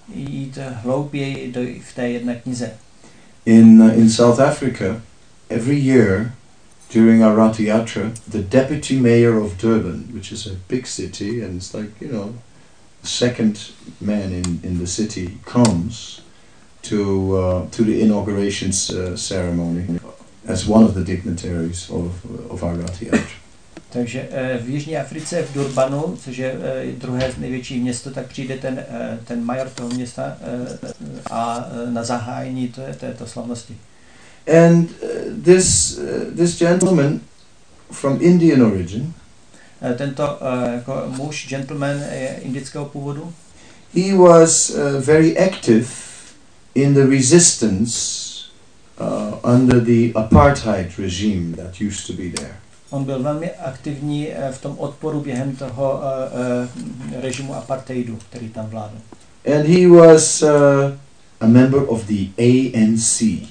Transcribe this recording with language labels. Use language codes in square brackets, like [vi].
[cs] Jít hlouběji do v té jedné knize. [en] In South Africa, every year during our Rath Yatra, the deputy mayor of Durban, which is a big city and it's like, you know, second man in the city, comes to the inauguration ceremony as one of the dignitaries of our Rath Yatra. [cs] Takže v Jižní Africe, v Durbanu, což je druhé největší město, tak přijde ten major toho města a na zahájení této slavnosti. [en] And this gentleman from Indian origin, [cs] tento jako muž, gentleman indického původu, [en] he was very active in the resistance under the apartheid regime that used to be there. [cs] On byl velmi aktivní v tom odporu během toho režimu apartheidu, který tam vládl. [en] And he was a member of the ANC.